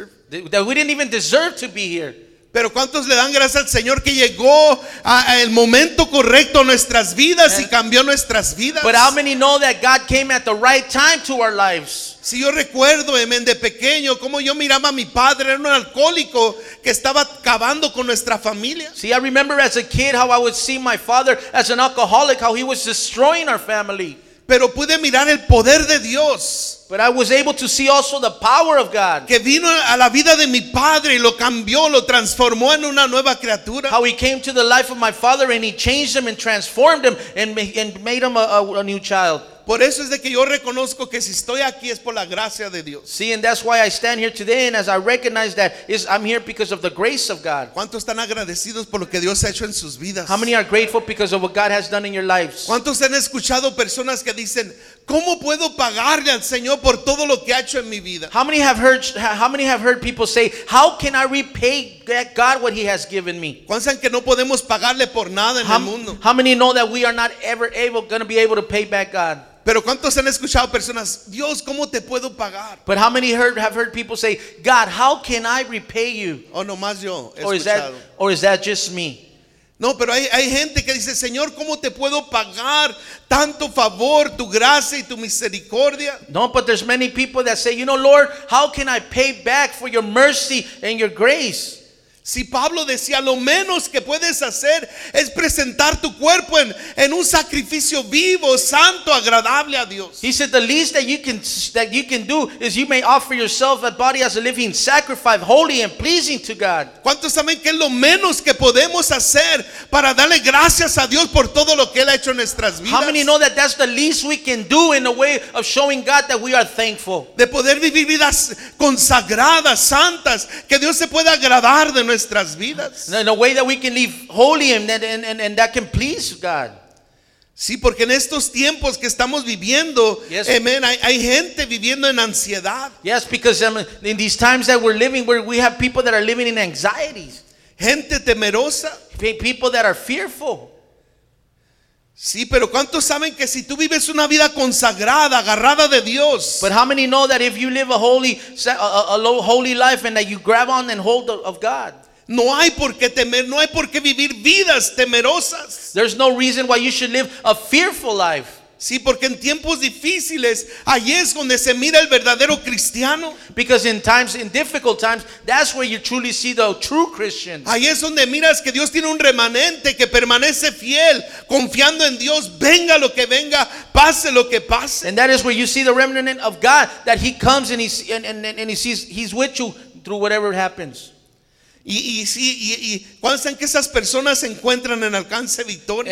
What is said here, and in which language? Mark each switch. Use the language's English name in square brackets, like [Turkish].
[English] That we didn't even deserve to be here. [Spanish] Pero ¿cuántos le dan gracias al Señor que llegó a el momento correcto a nuestras vidas y cambió nuestras vidas? [English] But how many know that God came at the right time to our lives? [Spanish] Si yo recuerdo, amen, de pequeño, cómo yo miraba a mi padre, era un alcohólico que estaba acabando con nuestra familia. [English] See, I remember as a kid how I would see my father as an alcoholic, how he was destroying our family. [Spanish] Pero pude mirar el poder de Dios. [English] But I was able to see also the power of God. [Spanish] Que vino a la vida de mi padre y lo cambió, lo transformó en una nueva criatura. [English] How he came to the life of my father and he changed him and transformed him and made him a new child. [Spanish] Por eso es de que yo reconozco que si estoy aquí es por la gracia de Dios. [English] See, and that's why I stand here today, and as I recognize that, is I'm here because of the grace of God. [Spanish] ¿Cuántos están agradecidos por lo que Dios ha hecho en sus vidas? [English] How many are grateful because of what God has done in your lives? [Spanish] ¿Cuántos han escuchado personas que dicen, cómo puedo pagarle al Señor por todo lo que ha hecho en mi vida? [English] How many have heard people say, how can I repay God what he has given me? [Spanish] ¿Cuántos saben que no podemos pagarle por nada en el mundo? [English] How many know that we are not ever able going to be able to pay back God? [Spanish] Pero ¿cuántos han escuchado personas, Dios, cómo te puedo pagar? [English] But how many have heard people say, God, how can I repay you? [Spanish] Oh, no, más yo he or escuchado. [English] Is that just me? [Spanish] No, pero hay gente que dice, Señor, ¿cómo te puedo pagar tanto favor, tu gracia y tu misericordia? [English] No, but there's many people that say, you know, Lord, how can I pay back for your mercy and your grace? [Spanish] Si Pablo decía, lo menos que puedes hacer es presentar tu cuerpo en un sacrificio vivo, santo, agradable a Dios. [English] He said, the least that you can do is you may offer yourself a body as a living sacrifice, holy and pleasing to God. [Spanish] ¿Cuántos saben que es lo menos que podemos hacer para darle gracias a Dios por todo lo que Él ha hecho en nuestras vidas? [English] How many know that that's the least we can do in a way of showing God that we are thankful? [Spanish] De poder vivir vidas consagradas, santas, que Dios se pueda agradar de nuestras vidas. [English] In a way that we can live holy and that can please God. [Spanish] Sí, porque en estos tiempos que estamos viviendo, [English] yes. [Spanish] Amen, hay gente viviendo en ansiedad. [English] Yes, because in these times that we're living, where we have people that are living in anxieties. [Spanish] Gente temerosa. [English] People that are fearful. [Spanish] Sí, pero ¿cuántos saben que si tú vives una vida consagrada, agarrada de Dios? [English] But how many know that if you live a holy life and that you grab on and hold of God? [Spanish] No hay por qué temer, no hay por qué vivir vidas temerosas. [English] There's no reason why you should live a fearful life. [Spanish] Sí, porque en tiempos difíciles, ahí es donde se mira el verdadero cristiano. [English] Because in difficult times, that's where you truly see the true Christian. [Spanish] Ahí es donde miras que Dios tiene un remanente que permanece fiel, confiando en Dios, venga lo que venga, pase lo que pase. [English] And that is where you see the remnant of God, that he comes and he sees he's with you through whatever happens. [Spanish] Y ¿cuántos saben que esas personas se encuentran en alcance victoria?